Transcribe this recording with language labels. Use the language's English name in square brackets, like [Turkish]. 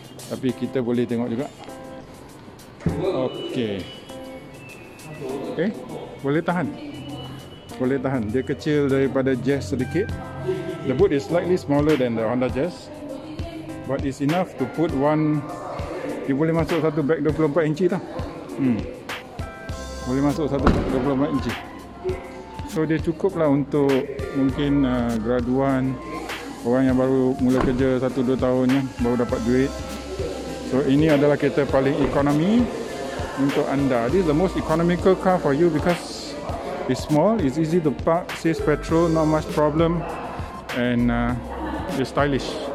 [Malay] Tapi kita boleh tengok juga. Okay. Okay, boleh tahan. Boleh tahan. Dia kecil daripada Jazz sedikit. [English] The boot is slightly smaller than the Honda Jazz. But it's enough to put one. [Malay] Dia boleh masuk satu bag 24 inci tau. Boleh masuk satu bag 24 inci. So dia cukup lah untuk mungkin graduan. Orang yang baru mula kerja 1-2 tahun ya, baru dapat duit. So ini adalah kereta paling ekonomi untuk anda. [English] This is the most economical car for you because it's small, it's easy to park, saves petrol, not much problem, and it's stylish.